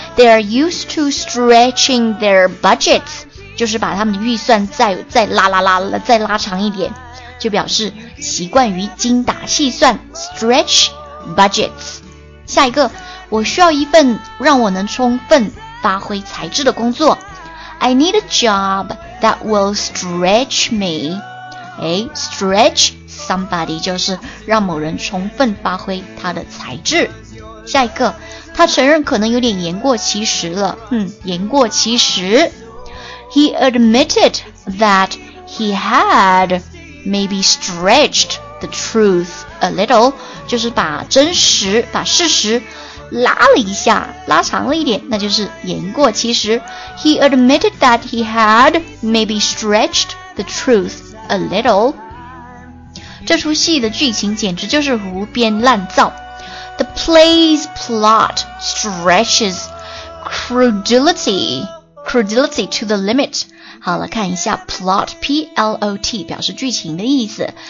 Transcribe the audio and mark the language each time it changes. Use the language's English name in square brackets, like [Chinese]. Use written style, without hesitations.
[English] They are used to stretching their budgets. [Chinese] 就是把他们的预算再拉长一点，就表示习惯于精打细算 stretch. Budgets. 下一个，我需要一份让我能充分发挥才智的工作。 [English] I need a job that will stretch me. [Chinese] Stretch somebody 就是让某人充分发挥他的才智。下一个，他承认可能有点言过其实了。言过其实。 [English] He admitted that he had maybe stretched the truth a little. [Chinese] 就是把事实拉了一下，拉长了一点，那就是言过其实。 [English] He admitted that he had maybe stretched the truth a little. [Chinese] 这出戏的剧情简直就是胡编乱造。 [English] The play's plot stretches crudity to the limit. [Chinese] 好了，看一下 plot, P-L-O-T, 表示剧情的意思。